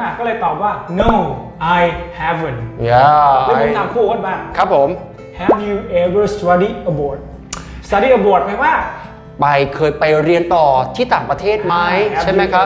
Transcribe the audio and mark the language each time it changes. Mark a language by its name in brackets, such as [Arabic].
[Thai] ก็เลยตอบว่า [English] noI haven't. Yeah. [Thai] ได้ผมถามครูบ้าง ครับผม [English] Have you ever studied abroad? [Thai] Study abroad แปลว่า ไปเคยไปเรียนต่อที่ต่างประเทศไหมใช่ไหมครับ